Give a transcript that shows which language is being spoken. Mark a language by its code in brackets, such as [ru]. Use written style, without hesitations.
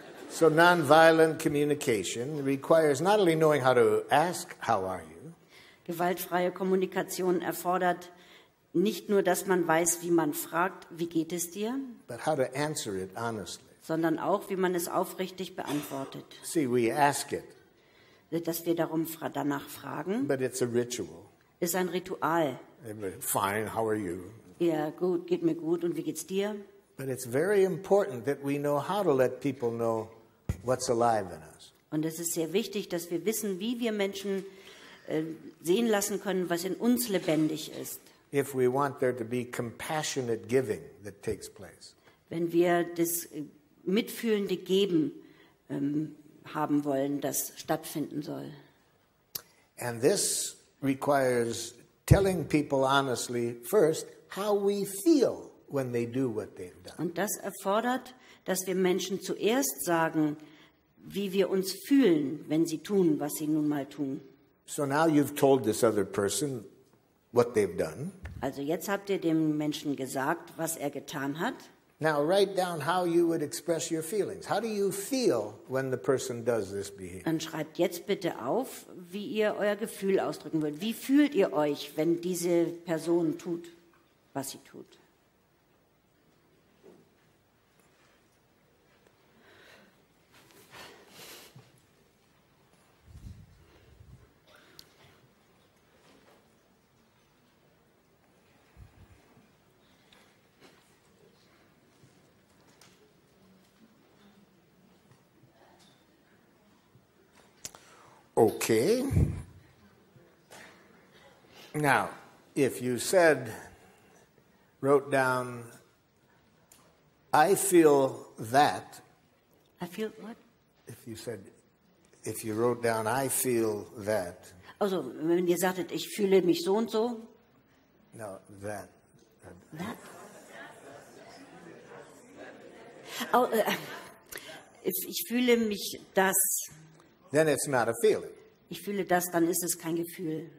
[en] So nonviolent communication requires not only knowing how to ask how are you. [de] Gewaltfreie Kommunikation erfordert nicht nur, dass man weiß, wie man fragt, wie geht es dir? [en] But how to answer it honestly. [de] Sondern auch, wie man es aufrichtig beantwortet. [en] See, we ask it. [de] Dass wir darum danach fragen. [en] But it's a ritual. [de] Ist ein Ritual. [en] Fine, how are you? [de] Ja, gut, geht mir gut und wie geht's dir? [en] But it's very important that we know how to let people know what's alive in us. [de] Und es ist sehr wichtig, dass wir wissen, wie wir Menschen sehen lassen können, was in uns lebendig ist. [en] If we want there to be compassionate giving that takes place. [de] Wenn wir das mitfühlende Geben haben wollen, das stattfinden soll. [en] And this requires telling people honestly first how we feel when they do what they've done. [de] Und das erfordert, dass wir Menschen zuerst sagen, wie wir uns fühlen, wenn sie tun, was sie nun mal tun. [en] So now you've told this other person what they've done. [de] Also jetzt habt ihr dem Menschen gesagt, was er getan hat. [en] Now write down how you would express your feelings. How do you feel when the person does this behavior? [de] Dann schreibt jetzt bitte auf, wie ihr euer Gefühl ausdrücken würdet. Wie fühlt ihr euch, wenn diese Person tut, was sie tut? [en] Okay. Now, if you said, wrote down, I feel that. I feel what? If you said, if you wrote down, I feel that. [de] Also, wenn ihr sagtet, ich fühle mich so und so. [en] No, that. That? [de] Oh, ich fühle mich das. [en] Then it's not a feeling. [de] Ich fühle das, dann ist es kein Gefühl.